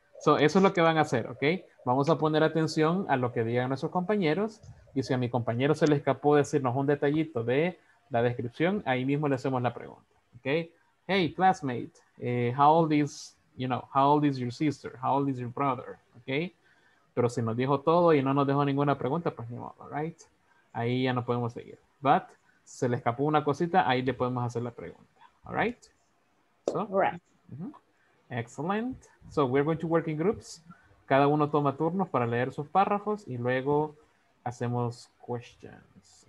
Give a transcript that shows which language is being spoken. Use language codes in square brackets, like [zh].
[es] So eso es lo que van a hacer, ¿ok? Vamos a poner atención a lo que digan nuestros compañeros. Y si a mi compañero se le escapó decirnos un detallito de la descripción, ahí mismo le hacemos la pregunta, ¿ok? [en] Hey, classmate, how old is, you know, how old is your sister? How old is your brother? ¿Ok? [es] Pero si nos dijo todo y no nos dejó ninguna pregunta, pues ni modo, ¿right? Ahí ya no podemos seguir. But se le escapó una cosita, ahí le podemos hacer la pregunta. [en] All right? So, all right. Mm-hmm. Excellent. So, we're going to work in groups. [es] Cada uno toma turnos para leer sus párrafos y luego hacemos questions.